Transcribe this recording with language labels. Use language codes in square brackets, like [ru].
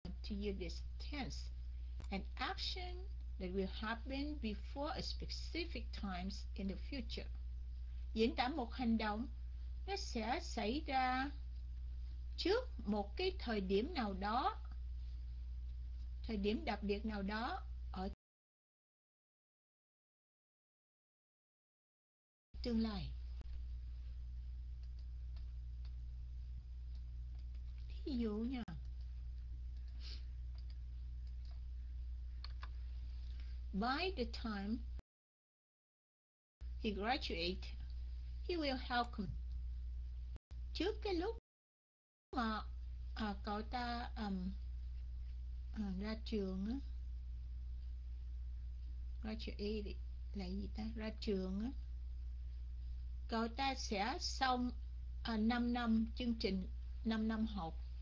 [en] To use this tense, an action that will happen before a specific times in the future. [vi] Diễn tả một hành động nó sẽ xảy ra trước một cái thời điểm nào đó, thời điểm đặc biệt nào đó ở tương lai. Thí dụ nha. [en] By the time he graduates, he will help him. [vi] Trước cái lúc mà cậu ta ra trường á, graduate là gì ta? Ra trường á, cậu ta sẽ xong 5 năm chương trình, 5 năm học.